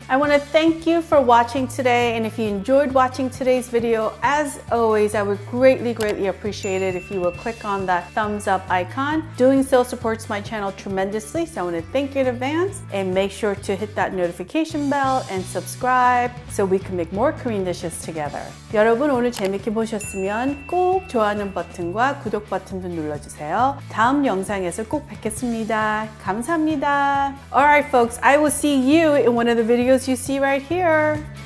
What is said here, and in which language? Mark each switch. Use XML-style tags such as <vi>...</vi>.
<en>I want to thank you for watching today, and if you enjoyed watching today's video, as always, I would greatly, greatly appreciate it if you would click on that thumbs up icon. Doing so supports my channel tremendously, so I want to thank you in advance, and make sure to hit that notification bell and subscribe so we can make more Korean dishes together.</en> <ko>여러분, 오늘 재밌게 보셨으면 꼭 좋아하는 버튼과 구독 버튼도 눌러주세요. 다음 영상에서 꼭 뵙겠습니다. 감사합니다.</ko> <en>All right, folks, I will see you in one of the videos you see right here.</en>